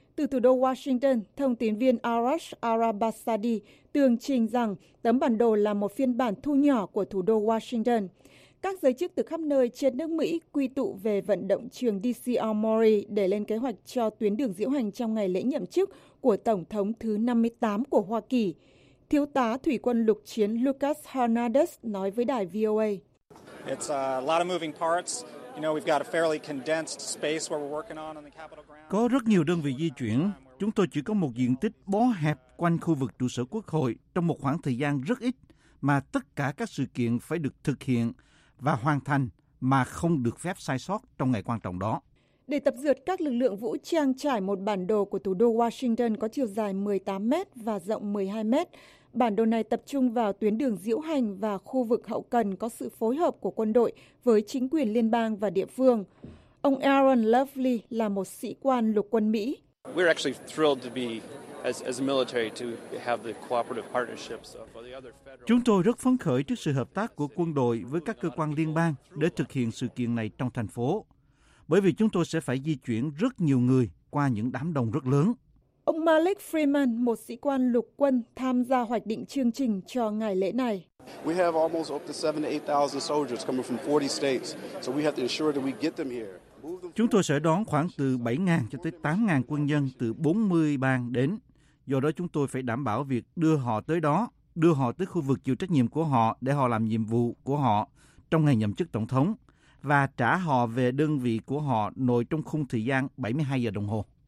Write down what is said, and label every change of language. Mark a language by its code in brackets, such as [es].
[vi] Từ thủ đô Washington, thông tín viên Arash Arabasadi tường trình rằng tấm bản đồ là một phiên bản thu nhỏ của thủ đô Washington. Các giới chức từ khắp nơi trên nước Mỹ quy tụ về vận động trường DC Armory để lên kế hoạch cho tuyến đường diễu hành trong ngày lễ nhậm chức của Tổng thống thứ 58 của Hoa Kỳ. Thiếu tá thủy quân lục chiến Lucas Hernandez nói với đài VOA. [en] It's a lot of moving parts. You know, we've got a fairly condensed space where we're working on in the Capitol grounds. [vi] Có rất nhiều đơn vị di chuyển. Chúng tôi chỉ có một diện tích bó hẹp quanh khu vực trụ sở quốc hội trong một khoảng thời gian rất ít mà tất cả các sự kiện phải được thực hiện và hoàn thành mà không được phép sai sót trong ngày quan trọng đó. Để tập dượt, các lực lượng vũ trang trải một bản đồ của thủ đô Washington có chiều dài 18 mét và rộng 12 mét. Bản đồ này tập trung vào tuyến đường diễu hành và khu vực hậu cần có sự phối hợp của quân đội với chính quyền liên bang và địa phương. Ông Aaron Lovely là một sĩ quan lục quân Mỹ. [en] We're actually thrilled to be as a military to have the cooperative partnerships of the other federal. [vi] Chúng tôi rất phấn khởi trước sự hợp tác của quân đội với các cơ quan liên bang để thực hiện sự kiện này trong thành phố, bởi vì chúng tôi sẽ phải di chuyển rất nhiều người qua những đám đông rất lớn. Ông Malik Freeman, một sĩ quan lục quân, tham gia hoạch định chương trình cho ngày lễ này. [en] We have almost up to 7,000 to 8,000 soldiers coming from 40 states, so we have to ensure that we get them here. [vi] Chúng tôi sẽ đón khoảng từ 7.000 cho tới 8.000 quân nhân từ 40 bang đến. Do đó chúng tôi phải đảm bảo việc đưa họ tới đó, đưa họ tới khu vực chịu trách nhiệm của họ để họ làm nhiệm vụ của họ trong ngày nhậm chức tổng thống và trả họ về đơn vị của họ nội trong khung thời gian 72 giờ đồng hồ.